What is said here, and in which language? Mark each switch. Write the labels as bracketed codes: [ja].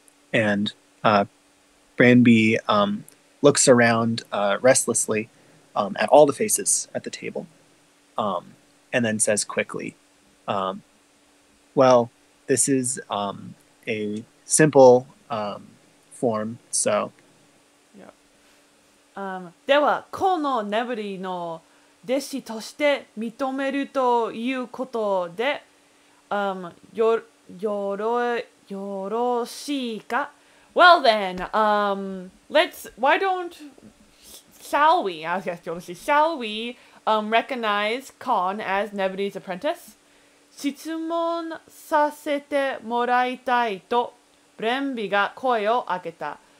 [en] Branby looks around restlessly at all the faces at the table and then says quickly, well, this is a simple form, so. Yeah. [ja] では、この眠りの弟子として認めるということで、よろしいか? [en] Well then, shall we recognize Khan as Nebri's apprentice? [ja] 質問させてもらいたいと、ブレンビが声を上げた。